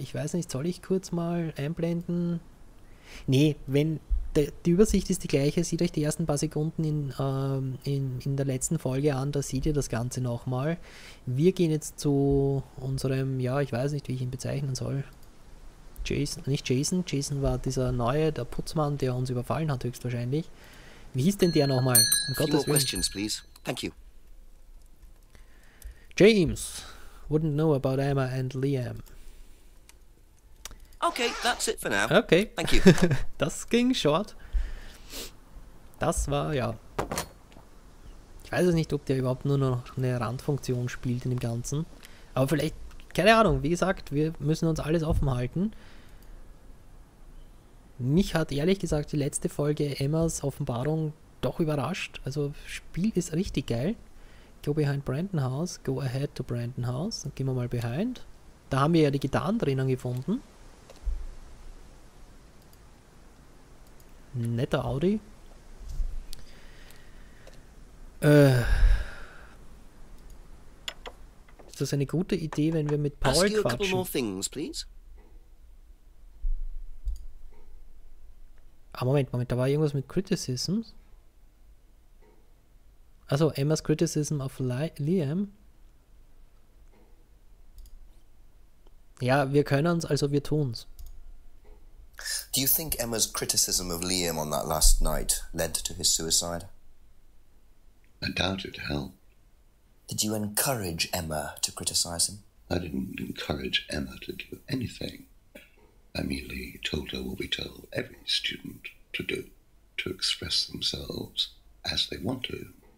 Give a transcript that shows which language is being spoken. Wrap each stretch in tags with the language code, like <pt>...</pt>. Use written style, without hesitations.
<de>Ich weiß nicht, soll ich kurz mal einblenden? Nee, wenn die Übersicht ist die gleiche, seht euch die ersten paar Sekunden in der letzten Folge an, da seht ihr das Ganze nochmal. Wir gehen jetzt zu unserem, ja, ich weiß nicht, wie ich ihn bezeichnen soll. Jason war dieser neue, der Putzmann, der uns überfallen hat höchstwahrscheinlich. Wie hieß denn der nochmal? Um Gottes Willen.</de> <en>Questions, please. Thank you. James, wouldn't know about Emma and Liam. Okay, that's it for now. Okay. Thank you.</en> <de>Das ging short. Das war, ja. Ich weiß es nicht, ob der überhaupt nur noch eine Randfunktion spielt in dem Ganzen. Aber vielleicht, keine Ahnung, wie gesagt, wir müssen uns alles offen halten. Mich hat ehrlich gesagt die letzte Folge Emmas Offenbarung doch überrascht. Also, Spiel ist richtig geil.</de> <en>Go behind Brandon House, go ahead to Brandon House.</en> <de>Dann gehen wir mal behind. Da haben wir ja die Gitarren drinnen gefunden. Netter Audi. Ist das eine gute Idee, wenn wir mit Paul quatschen? Ah, Moment, da war irgendwas mit Criticisms. Also Emmas Criticism of Liam. Ja, wir können's, also wir tun's.</de> <en>Do you think Emma's criticism of Liam on that last night led to his suicide? I doubt it, Hal. Did you encourage Emma to criticize him? I didn't encourage Emma to do anything. I merely told her what we tell every student to do, to express themselves as they want to.</en>